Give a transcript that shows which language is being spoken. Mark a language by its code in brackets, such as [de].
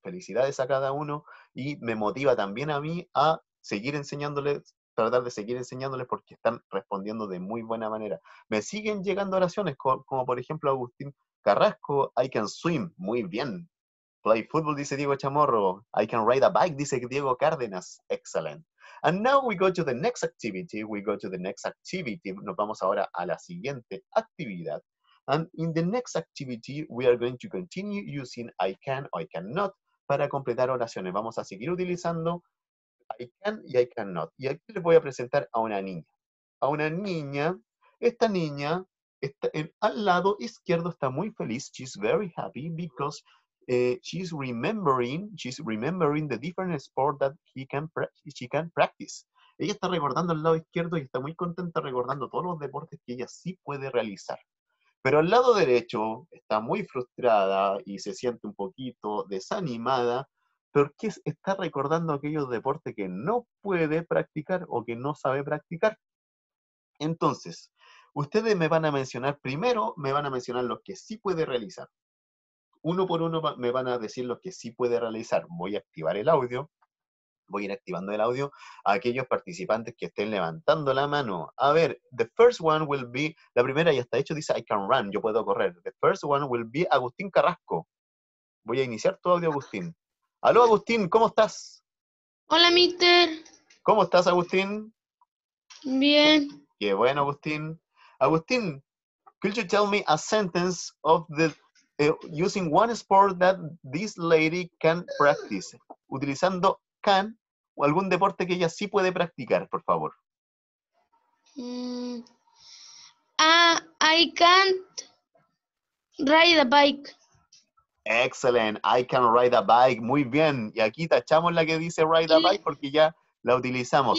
[es] Felicidades a cada uno y me motiva también a mí a seguir enseñándoles, tratar de seguir enseñándoles porque están respondiendo de muy buena manera. Me siguen llegando oraciones, como por ejemplo Agustín Carrasco, [en] I can swim, [es] muy bien. [en] Play football, dice Diego Chamorro. I can ride a bike, dice Diego Cárdenas. Excellent. And now we go to the next activity. We go to the next activity. [es] Nos vamos ahora a la siguiente actividad. [en] And in the next activity, we are going to continue using I can or I cannot [es] para completar oraciones. Vamos a seguir utilizando [en] I can [es] y [en] I cannot. [es] Y aquí les voy a presentar a una niña. A una niña. Esta niña está en, al lado izquierdo, está muy feliz. [en] She's very happy because she's remembering the different sport that she can practice. [es] Ella está recordando el lado izquierdo y está muy contenta recordando todos los deportes que ella sí puede realizar. Pero al lado derecho está muy frustrada y se siente un poquito desanimada porque está recordando aquellos deportes que no puede practicar o que no sabe practicar. Entonces, ustedes me van a mencionar, primero me van a mencionar los que sí puede realizar. Uno por uno me van a decir los que sí puede realizar. Voy a activar el audio. Voy a ir activando el audio a aquellos participantes que estén levantando la mano. A ver, [en] the first one will be, [es] la primera ya está hecho, dice [en] I can run, [es] yo puedo correr. [en] The first one will be Agustín Carrasco. [es] Voy a iniciar tu audio, [en] Agustín. [es] Aló, Agustín, ¿cómo estás? Hola, Mister. ¿Cómo estás, Agustín? Bien. Qué bueno, Agustín. [en] Agustín, could you tell me a sentence of the... using one sport that this lady can practice. [es] Utilizando can o algún deporte que ella sí puede practicar, por favor. [en] I can't ride a bike. Excellent. I can ride a bike. [es] Muy bien. Y aquí tachamos la que dice [en] ride a bike [es] porque ya la utilizamos.